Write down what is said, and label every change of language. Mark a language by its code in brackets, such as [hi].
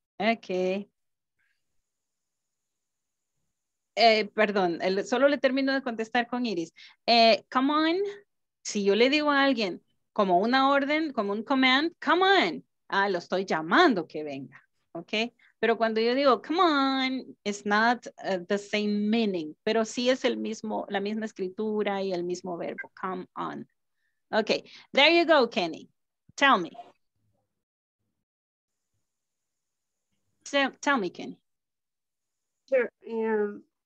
[es] Ok, ok. Perdón, solo le termino de contestar con Iris. Come on, si yo le digo a alguien como una orden, como un command, come on, ah, lo estoy llamando que venga, ok. Pero cuando yo digo, [en] come on, it's not the same meaning. [es] Pero sí es el mismo, la misma escritura y el mismo verbo, come on. [en] Okay, there you go, Kenny. Tell me. Tell me, Kenny. Sure.